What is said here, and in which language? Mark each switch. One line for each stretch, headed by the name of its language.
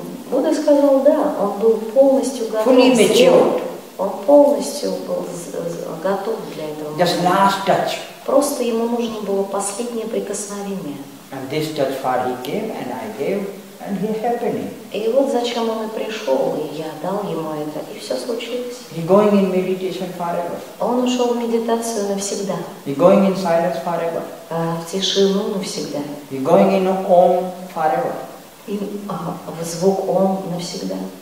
Russian: Будда сказал, да, он был полностью готов.
English: Fully matured.
Russian: Он полностью был готов для этого.
English: Just last touch.
Russian: Просто ему нужно было последнее прикосновение.
English: And this touch far he came, and I gave, and he happening.
Russian: И вот зачем он и пришел, и я дал ему это, и все случилось.
English: He going in meditation forever.
Russian: Он ушел в медитацию навсегда.
English: He going in silence forever.
Russian: В тишину навсегда.
English: He going in Om forever.
Russian: И в звук Ом навсегда.